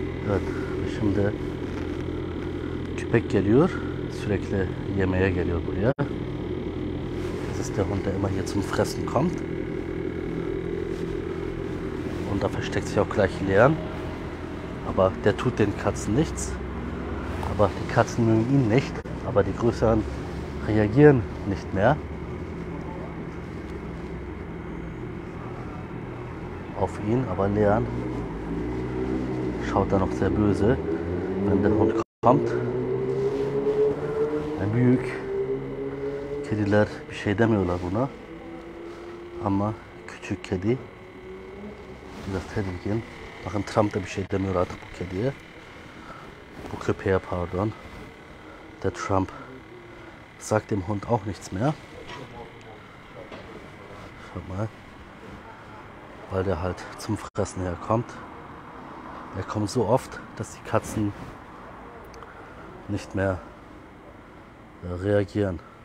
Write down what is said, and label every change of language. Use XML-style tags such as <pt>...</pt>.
<tr>Evet, şimdi köpek geliyor. Sürekli yemeğe geliyor buraya.</tr> <de>Der Hund, der immer hier zum Fressen kommt. Und da versteckt sich auch gleich Leon. Aber der tut den Katzen nichts. Aber die Katzen mögen ihn nicht. Aber die Größeren reagieren nicht mehr auf ihn. Aber Leon schaut da noch sehr böse, wenn der Hund kommt. Ein Büyük.</de> <tr>Kediler bir şey demiyorlar buna. Ama küçük kedi biraz tedirgin. Bakın Trump da bir şey demiyor artık bu kediye. Bu köpeğe pardon.</tr> <de>Der Trump sagt dem Hund auch nichts mehr. Schau mal. Weil der halt zum Fressen herkommt. Er kommt so oft, dass die Katzen nicht mehr reagieren.</de>